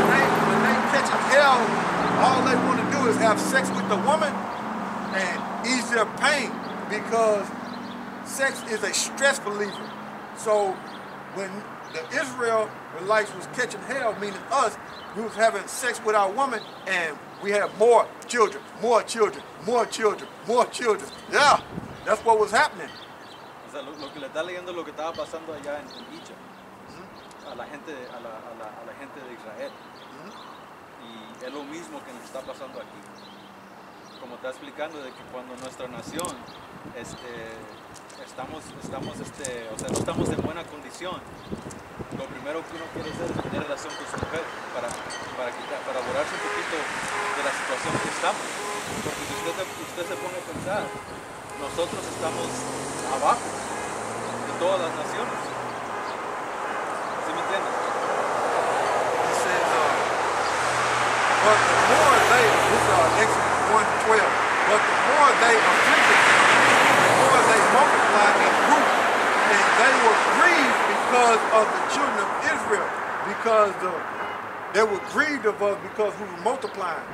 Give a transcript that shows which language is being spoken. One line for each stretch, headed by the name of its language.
English: You see, when they catch a hell, all they want to do is have sex with the woman and ease their pain, because sex is a stress reliever. So when the Israelites was catching hell, meaning us, we was having sex with our woman and we had more children. Yeah. That's what was happening.
Spanish: O sea, lo que le está leyendo lo que estaba pasando allá en Egipto. Mm-hmm. A la gente de Israel. Mm-hmm. Y es lo mismo que nos está pasando aquí. Como está explicando de que cuando nuestra nación estamos en buena condición, lo primero que uno quiere hacer es tener relación con su mujer para borrarse un poquito de la situación que estamos. Porque si usted se pone a pensar, nosotros estamos abajo de todas las naciones. ¿Sí me entiendes?
English: He says, but the more they, this is Exodus 1:12, but the more they afflicted, the more they multiplied and grew, and they were grieved because of the children of Israel, because they were grieved of us because we were multiplying.